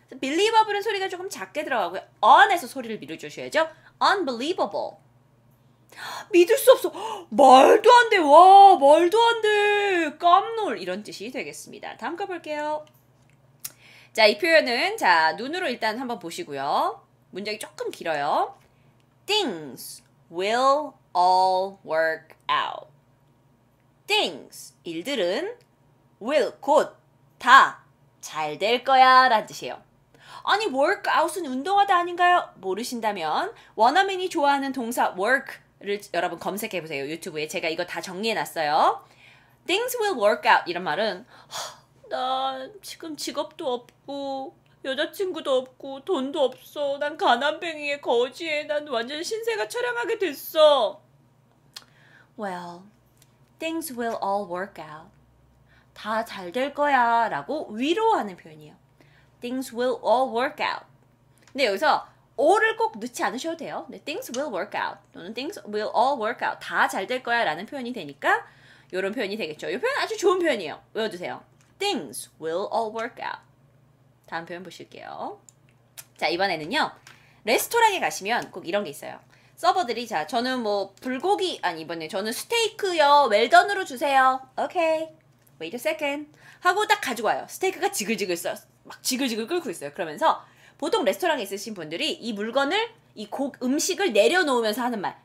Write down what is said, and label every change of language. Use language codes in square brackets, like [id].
[ko] Believable은 소리가 조금 작게 들어가고요. On에서 소리를 밀어주셔야죠. Unbelievable. 믿을 수 없어. 말도 안 돼. 와, 말도 안 돼. 깜놀. 이런 뜻이 되겠습니다. 다음 거 볼게요. 자, 이 표현은 자 눈으로 일단 한번 보시고요. 문장이 조금 길어요. [en] Things will all work out. [ko] Things, 일들은 will, 곧, 다 잘 될 거야 라는 뜻이에요. 아니, work out은 운동하다 아닌가요? 모르신다면 원어민이 좋아하는 동사 work를 여러분 검색해보세요. 유튜브에 제가 이거 다 정리해놨어요. Things will work out 이런 말은 난 지금 직업도 없고 여자친구도 없고 돈도 없어. 난 가난뱅이의 거지에 난 완전 신세가 처량하게 됐어. [en] Well, things will all work out. [ko] 다 잘 될 거야 라고 위로하는 표현이에요. [en] Things will all work out. [ko] 근데 여기서 all을 꼭 넣지 않으셔도 돼요. [en] Things will work out. 또는 things will all work out. [ko] 다 잘 될 거야 라는 표현이 되니까 이런 표현이 되겠죠. 이 표현 아주 좋은 표현이에요. 외워주세요. [en] Things will all work out. [ko] 다음 표현 보실게요. 자, 이번에는요. 레스토랑에 가시면 꼭 이런 게 있어요. 서버들이 자, 저는 뭐 불고기 아니 이번에 저는 스테이크요. 웰던으로 주세요. 오케이. Wait a second. 하고 딱 가져와요. 스테이크가 지글지글 써. 막 지글지글 끓고 있어요. 그러면서 보통 레스토랑에 있으신 분들이 이 물건을 이 음식을 내려놓으면서 하는 말.